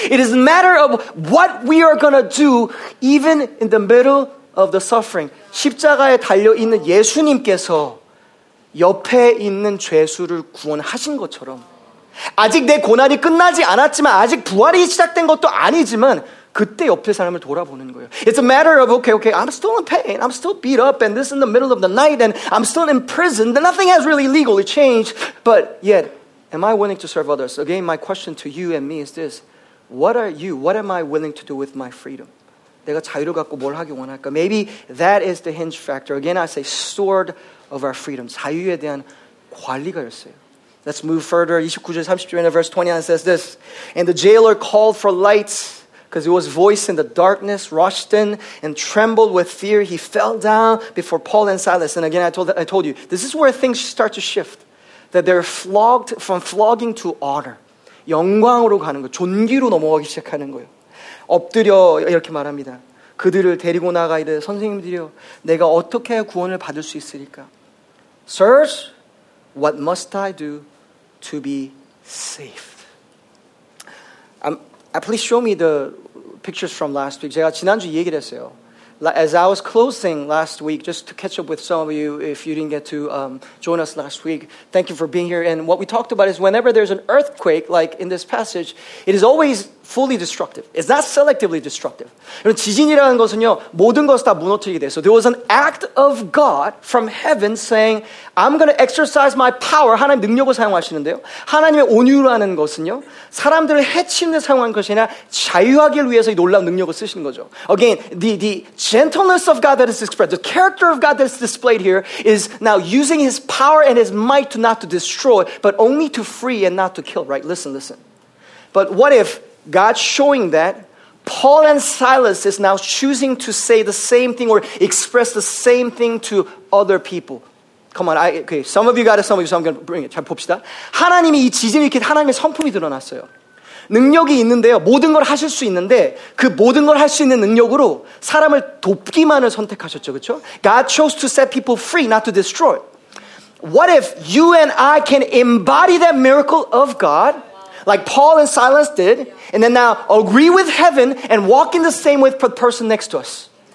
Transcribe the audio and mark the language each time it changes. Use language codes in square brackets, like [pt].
[en] It is a matter of what we are going to do even in the middle of the suffering. [ko] 십자가에 달려 있는 예수님께서 옆에 있는 죄수를 구원하신 것처럼 아직 내 고난이 끝나지 않았지만 아직 부활이 시작된 것도 아니지만 그때 옆에 사람을 돌아보는 거예요. [en] It's a matter of, okay, I'm still in pain. I'm still beat up, and this in the middle of the night, and I'm still in prison. Nothing has really legally changed. But yet, am I willing to serve others? Again, my question to you and me is this. What are you, what am I willing to do with my freedom? [ko] 내가 자유를 갖고 뭘 하기 원할까? [en] Maybe that is the hinge factor. Again, I say steward of our freedom. [ko] 자유에 대한 관리가 있어요. [en] Let's move further. [ko] 29절, 30절, [en] verse 29 says this. And the jailer called for lights. Because it was voice in the darkness, rushed in and trembled with fear. He fell down before Paul and Silas. And again, I told you, this is where things start to shift. That they're flogged from flogging to honor. [ko] 영광으로 가는 거예요. 존귀로 넘어가기 시작하는 거예요. 엎드려 이렇게 말합니다. 그들을 데리고 나가 이래 선생님들이여, 내가 어떻게 구원을 받을 수 있을까? [en] Sirs, what must I do to be saved? Please show me the pictures from last week. [ko] 제가 지난주 얘기를 했어요. [en] As I was closing last week, just to catch up with some of you, if you didn't get to join us last week, thank you for being here. And what we talked about is whenever there's an earthquake, like in this passage, it is always fully destructive. It's not selectively destructive. [ko] 지진이라는 것은요, 모든 것을 다 무너뜨리게 돼요. [en] So there was an act of God from heaven saying, I'm going to exercise my power, [ko] 하나님 능력을 사용하시는데요. 하나님의 온유라는 것은요, 사람들을 해치는 상황인 것이 아니라 자유하기 위해서 이 놀라운 능력을 쓰시는 거죠. [en] Again, the gentleness of God that is expressed, the character of God that is displayed here is now using his power and his might not to destroy, but only to free and not to kill, right? Listen. But what if God showing that Paul and Silas is now choosing to say the same thing or express the same thing to other people? Come on, okay. Some of you got it, some of you, so I'm going to bring it. [ko] 자, 봅시다. 하나님이 이 지진이 이렇게 하나님의 성품이 드러났어요. 능력이 있는데요. 모든 걸 하실 수 있는데 그 모든 걸 할 수 있는 능력으로 사람을 돕기만을 선택하셨죠, 그렇죠? [en] God chose to set people free, not to destroy. What if you and I can embody that miracle of God like Paul and Silas did and then now agree with heaven and walk in the same way with the person next to us?